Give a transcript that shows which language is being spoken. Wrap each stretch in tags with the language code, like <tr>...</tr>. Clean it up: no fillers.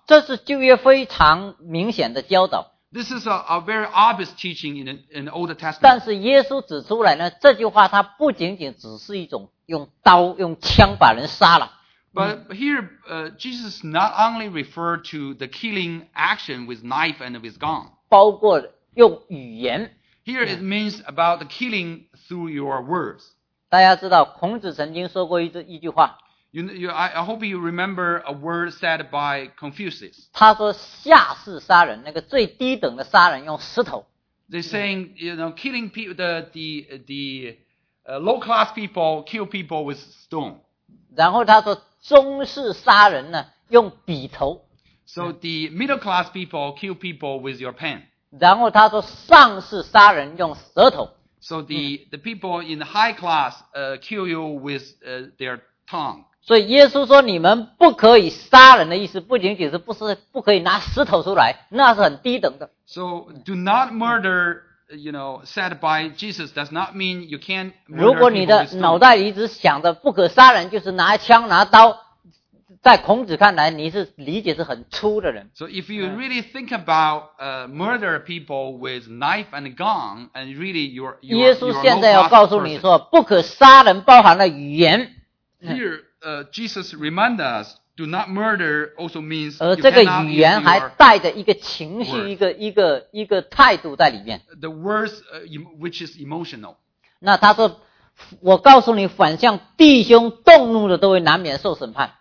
<zh>这是旧约非常明显的教导。</zh> <en>This is a very obvious teaching in the Old Testament.</en> <zh>但是耶稣指出来呢，这句话它不仅仅只是一种用刀用枪把人杀了。</zh> <en>But here, Jesus not only referred to the killing action with knife and with gun.</en> <zh>包括用语言。</zh> <en>Here it means about the killing through your words.</en> <zh>大家知道孔子曾经说过一句话。</zh> <en>I hope you remember a word said by Confucius.</en> <zh>他说下士杀人，那个最低等的杀人用石头。</zh> <en>They're saying, you know, killing people, the low class people kill people with stone.</en> <zh>然后他说中士杀人呢用笔头。</zh> <en>So the middle class people kill people with your pen.</en> <zh>然后他说上士杀人用舌头。</zh> <en>So the people in the high class kill you with their tongue.</en> <zh>所以耶稣说你们不可以杀人的意思不仅仅是不可以拿石头出来，那是很低等的。</zh> <en>So do not murder, you know, said by Jesus does not mean you can't murder people.</en> <zh>如果你的脑袋一直想着不可杀人，就是拿枪拿刀，在孔子看来，你是理解是很粗的人。</zh> <en>So if you really think about murder people with knife and gun, and really you're</en> <zh>耶稣现在要告诉你说，不可杀人包含了语言。</zh> <en>Here, Jesus reminds us, do not murder also means.</en> <zh>而这个语言还带着一个情绪，一个态度在里面。</zh> <en>The words which is emotional.</en> <zh>那他说。我告诉你，反向弟兄动怒的都会难免受审判。</zh>